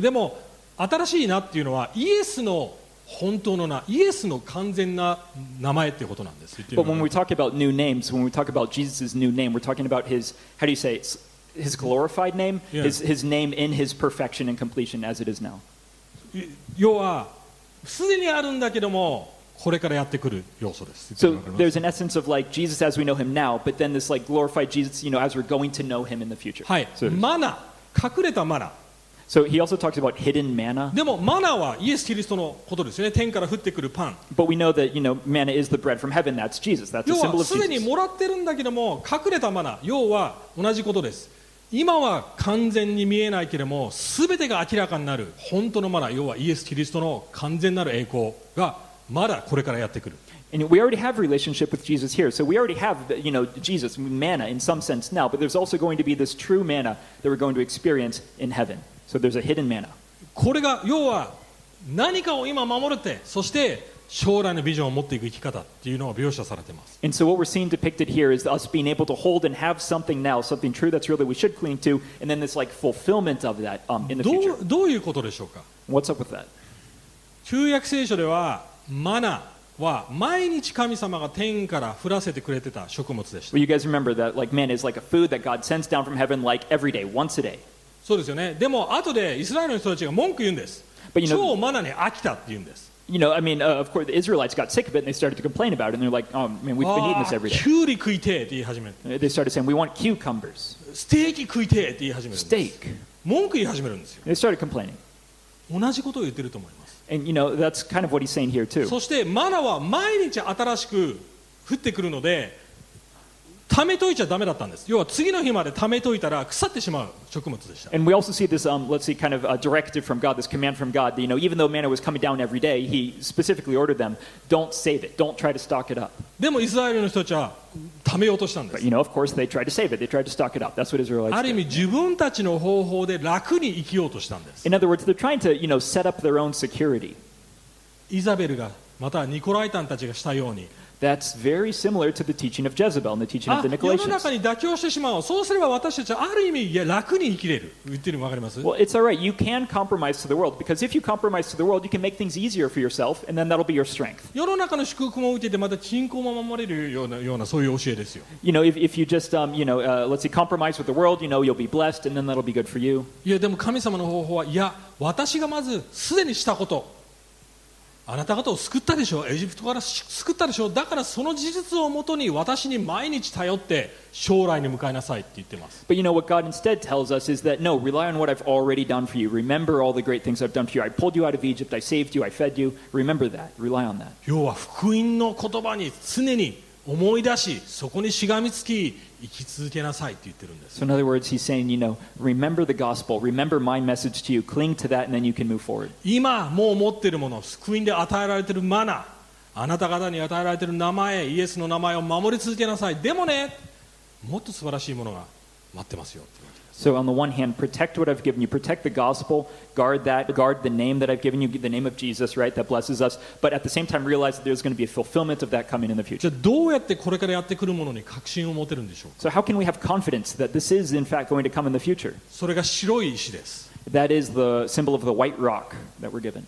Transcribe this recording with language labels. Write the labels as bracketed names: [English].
[Japanese] でも新しい名っていうのはイエスの本当の名、イエスの完全な名前っていうことなんです。 [English] But when we talk about new names, when we talk about Jesus' new name, we're talking about his, how do you say, his glorified name, his name in his perfection and completion as it is now. [Japanese] 要はすでにあるんだけども。これからやってくる要素です。 [English] So there's an essence of like Jesus as we know him now, but then this like glorified Jesus, you know, as we're going to know him in the future. [Japanese] はい。 [English] So、 [Japanese] マナ、隠れたマナ。 [English] So he also talks about hidden manna. [Japanese] でもマナはイエス・キリストのことですよね。天から降ってくるパン。 [English] But we know that, you know, manna is the bread from heaven. That's Jesus. That's a symbol of Jesus. [Japanese] 要はすでにもらってるんだけども、隠れたマナ。要は同じことです。今は完全に見えないけれども、すべてが明らかになる本当のマナ。要はイエス・キリストの完全なる栄光が。まだこれからやってくる。 [English] And we already have relationship with Jesus here. So we already have, you know, Jesus, manna in some sense now. But there's also going to be this true manna that we're going to experience in heaven. So there's a hidden manna. [Japanese] これが要は何かを今守るって、そして将来のビジョンを持っていく生き方っていうのを描写されています。 [English] And so what we're seeing depicted here is us being able to hold and have something now, something true that's really we should cling to, and then this like fulfillment of that in the future. [Japanese] どういうことでしょうか? [English] What's up with that? [Japanese] 旧約聖書ではマナは毎日神様が天から降らせてくれてた食物でした。 [English] Well, you guys remember that like manna is like a food that God sends down from heaven like every day, once a day. [Japanese] そうですよね。でも後でイスラエルの人たちが文句言うんです。 [English] But you know, [Japanese] 超マナに飽きたって言うんです。 [English] You know, I mean, of course, the Israelites got sick of it and they started to complain about it. And they're like, oh, man, we've been eating this every day. [Japanese] キュウリ食いてって言い始めるんです。 [English] They started saying, we want cucumbers. [Japanese] ステーキ食いてって言い始めるんです。 [English] Steak. [Japanese] 文句言い始めるんですよ。 [English] They started complaining. [Japanese] 同じことを言ってると思います。 [English] And, you know, that's kind of what he's saying here, too. [Japanese] そしてマナは毎日新しく降ってくるので、貯めといちゃダメだったんです。要は次の日まで貯めといたら腐ってしまう食物でした。 [English] And we also see this, let's see, kind of a directive from God, this command from God, that, you know, even though manna was coming down every day, he specifically ordered them, don't save it, don't try to stock it up. [Japanese] でもイスラエルの人たちは貯めようとしたんです。 [English] But, you know, of course, they tried to save it. They tried to stock it up. That's what Israelites [Japanese] did. ある意味自分たちの方法で楽に生きようとしたんです。 [English] In other words, they're trying to, you know, set up their own security. [Japanese] イザベルが、またはニコライタンたちがしたように、 [English] That's very similar to the teaching of Jezebel and the teaching of the Nicolaitans. [Japanese] 世の中に妥協してしまおう。そうすれば私たちはある意味いや楽に生きれる。言ってるの分かります? [English] Well, it's all right. You can compromise to the world because if you compromise to the world, you can make things easier for yourself and then that'll be your strength. [Japanese] 世の中の祝福も受けてまた信仰も守れるようなそういう教えですよ。 [English] You know, if you just, you know, let's say compromise with the world, you know, you'll be blessed and then that'll be good for you. [Japanese] いやでも神様の方法はいや私がまずすでにしたこと。あなた方を救ったでしょう。エジプトから救ったでしょう。だからその事実をもとに私に毎日頼って将来に向かいなさいって言ってます。 [English] But you know what God instead tells us is that no, rely on what I've already done for you. Remember all the great things I've done for you. I pulled you out of Egypt. I saved you. I fed you. Remember that. Rely on that. [Japanese] 要は福音の言葉に常に思い出し、そこにしがみつき、生き続けなさいって言ってるんです。 [English] So in other words, he's saying, you know, remember the gospel, remember my message to you, cling to that, and then you can move forward. [Japanese] 今もう持ってるもの、救いで与えられてるマナ、あなた方に与えられてる名前、イエスの名前を守り続けなさい。でもね、もっと素晴らしいものが待ってますよ。 [English] So on the one hand, protect what I've given you. Protect the gospel. Guard that. Guard the name that I've given you. The name of Jesus, right? That blesses us. But at the same time, realize that there's going to be a fulfillment of that coming in the future. [Japanese] じゃあどうやってこれからやってくるものに確信を持てるんでしょうか? [English] So how can we have confidence that this is in fact going to come in the future? [Japanese] それが白い石です。 [English] That is the symbol of the white rock that we're given.